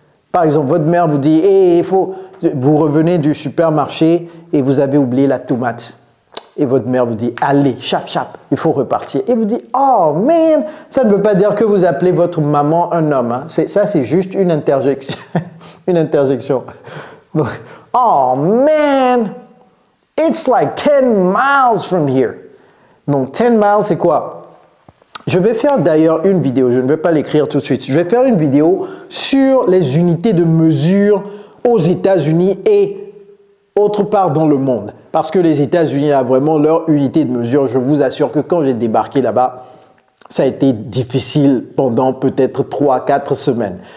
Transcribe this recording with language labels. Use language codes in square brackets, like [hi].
[fr] Par exemple, votre mère vous dit, hey, vous revenez du supermarché et vous avez oublié la tomate. Et votre mère vous dit, allez, chap, chap, il faut repartir. Et vous dites, oh man, ça ne veut pas dire que vous appelez votre maman un homme. Hein. C'est juste une interjection. Une interjection. Donc, [en] oh man, it's like 10 miles from here. [fr] Donc, 10 miles, c'est quoi? Je vais faire d'ailleurs une vidéo, je ne vais pas l'écrire tout de suite. Je vais faire une vidéo sur les unités de mesure aux États-Unis et autre part dans le monde. Parce que les États-Unis ont vraiment leur unité de mesure. Je vous assure que quand j'ai débarqué là-bas, ça a été difficile pendant peut-être 3-4 semaines.